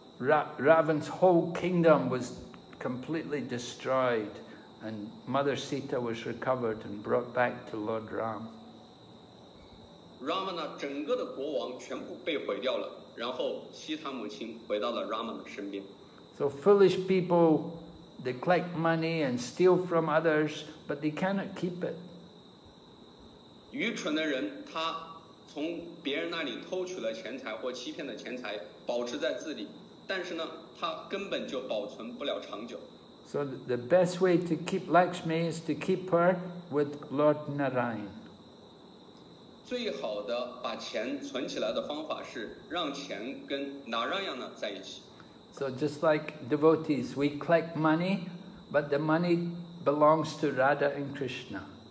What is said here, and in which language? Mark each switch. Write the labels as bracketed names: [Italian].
[English] Ravan's whole kingdom was completely destroyed, and Mother Sita was recovered and brought back to Lord Ram. [Chinese] Ramana 整个的国王全部被毁掉了，然后西塔母亲回到了 Rama 的身边。 [English] So foolish people. They collect money and steal from others, but they cannot keep it. [Chinese] 愚蠢的人，他从别人那里偷取了钱财或欺骗的钱财，保持在自己，但是呢，他根本就保存不了长久。 [English] So the best way to keep Lakshmi is to keep her with Lord Narayan. [Chinese] 最好的把钱存起来的方法是让钱跟 Narayana 在一起。 [English] So just like devotees, we collect money, but the money belongs to Radha and Krishna.